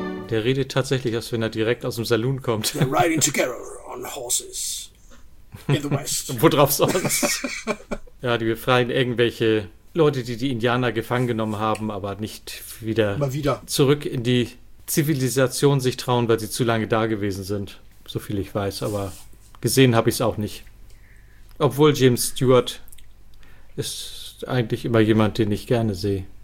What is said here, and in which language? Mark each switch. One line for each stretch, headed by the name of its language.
German: Der redet tatsächlich, als wenn er direkt aus dem Saloon kommt.
English: They're riding together on horses in the West.
German: Worauf sonst? Ja, die befreien irgendwelche Leute, die die Indianer gefangen genommen haben, aber nicht wieder, mal wieder zurück in die Zivilisation sich trauen, weil sie zu lange da gewesen sind. So viel ich weiß, aber gesehen habe ich es auch nicht. Obwohl James Stewart ist eigentlich immer jemand, den ich gerne sehe.